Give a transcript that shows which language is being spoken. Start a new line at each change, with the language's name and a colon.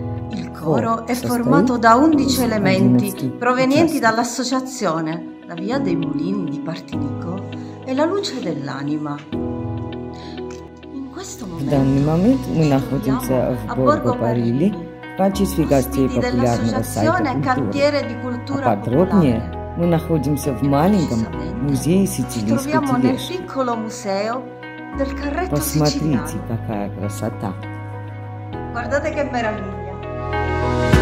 Italian: Il coro è formato da 11 elementi provenienti dall'associazione La Via dei Mulini di Partinico e La Luce dell'Anima. In questo momento ci troviamo a Borgo Parigi, ospiti dell'associazione Cantiere di Cultura Popolare.
Russian: Мы находимся в маленьком музее сицилийской тележки. Посмотрите, какая красота!
Italian: Guardate che meraviglia!